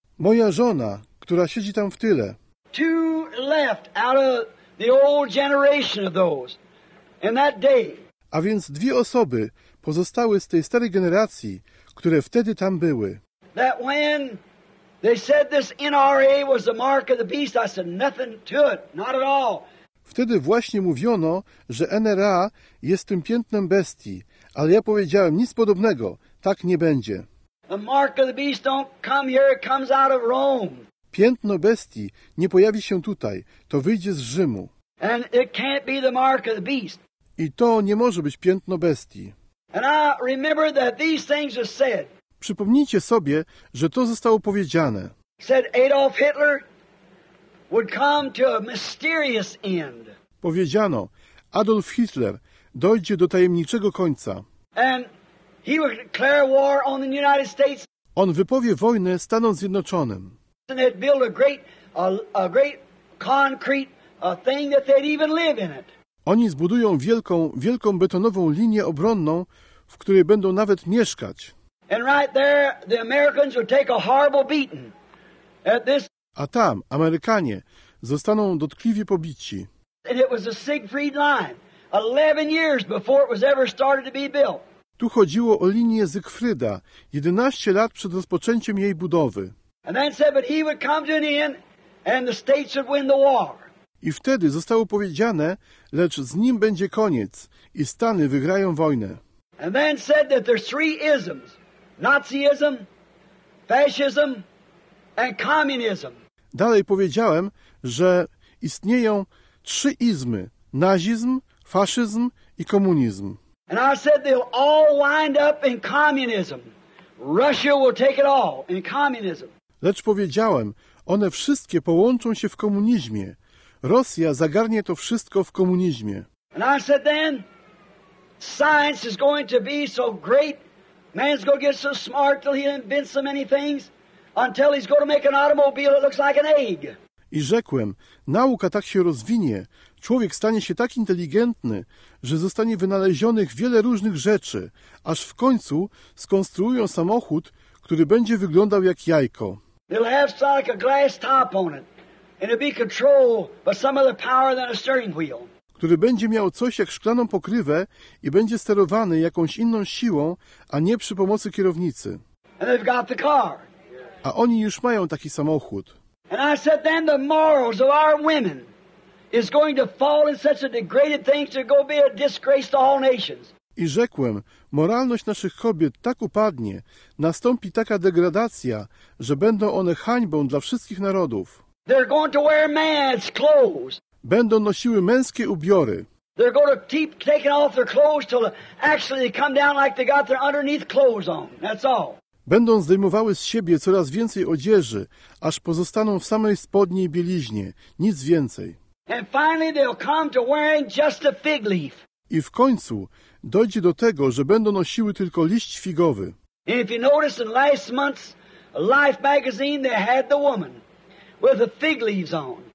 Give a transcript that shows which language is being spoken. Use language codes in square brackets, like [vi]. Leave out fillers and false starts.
[pl] Moja żona, która siedzi tam w tyle. [en] Two left out of the old generation of those. In that day. [pl] A więc dwie osoby pozostały z tej starej generacji, które wtedy tam były. [en] That when they said this NRA was the mark of the beast, I said nothing to it, not at all. [pl] Wtedy właśnie mówiono, że NRA jest tym piętnem bestii, ale ja powiedziałem nic podobnego, tak nie będzie. [en] The mark of the beast don't come here, it comes out of Rome. [pl] Piętno bestii nie pojawi się tutaj, to wyjdzie z Rzymu. [en] And it can't be the mark of the beast. [pl] I to nie może być piętno bestii. [en] And I remember that these things are said. [pl] Przypomnijcie sobie, że to zostało powiedziane. [en] Said Adolf Hitler would come to a mysterious end. [pl] Powiedziano, Adolf Hitler dojdzie do tajemniczego końca. [en] And he would declare war on the United States. [pl] On wypowie wojnę Stanom Zjednoczonym. [en] And they'd build a great concrete thing that they'd even live in it. [pl] Oni zbudują wielką, wielką betonową linię obronną, w której będą nawet mieszkać. [en] And right there, the Americans would take a horrible beating at this. [pl] A tam Amerykanie zostaną dotkliwie pobici. [en] And it was a Siegfried line, 11 years before it was ever started to be built. [pl] Tu chodziło o linię Siegfrieda, 11 lat przed rozpoczęciem jej budowy. [en] And then said, but he would come to an end, and the states would win the war. [pl] I wtedy zostało powiedziane, lecz z nim będzie koniec i Stany wygrają wojnę. [en] And then said that there's three isms. Nazism, fascism and communism. [pl] Dalej powiedziałem, że istnieją trzy izmy: nazizm, faszyzm i komunizm. [en] And I said they'll all wind up in communism. Russia will take it all in communism. [pl] Lecz powiedziałem, one wszystkie połączą się w komunizmie. Rosja zagarnie to wszystko w komunizmie. [en] And I said then science is going to be so great. Man's going to get so smart till he invents so many things until he's going to make an automobile that looks like an egg. [pl] I rzekłem, nauka tak się rozwinie, człowiek stanie się tak inteligentny, że zostanie wynalezionych wiele różnych rzeczy, aż w końcu skonstruują samochód, który będzie wyglądał jak jajko. [en] It'll have like a glass top on it, and it'll be controlled by some other power than a steering wheel. [pl] Który będzie miał coś jak szklaną pokrywę i będzie sterowany jakąś inną siłą, a nie przy pomocy kierownicy. [en] And they've got the car. [pl] A oni już mają taki samochód. [en] And I said then the morals of our women is going to fall in such a degraded thing to go be a disgrace to all nations. [pl] i rzekłem, moralność naszych kobiet tak upadnie, nastąpi taka degradacja, że będą one hańbą dla wszystkich narodów. [en] They're going to wear man's clothes. [pl] Będą nosiły męskie ubiory. [en] They're going to keep taking off their clothes till actually they come down like they got their underneath clothes on. That's all. [pl] Będą zdejmowały z siebie coraz więcej odzieży, aż pozostaną w samej spodniej bieliźnie, nic więcej. [en] And finally they'll come to wearing just a fig leaf. [pl] I w końcu dojdzie do tego, że będą nosiły tylko liść figowy. [en] And if you notice in last month's Life magazine, they had the woman with the fig leaves on.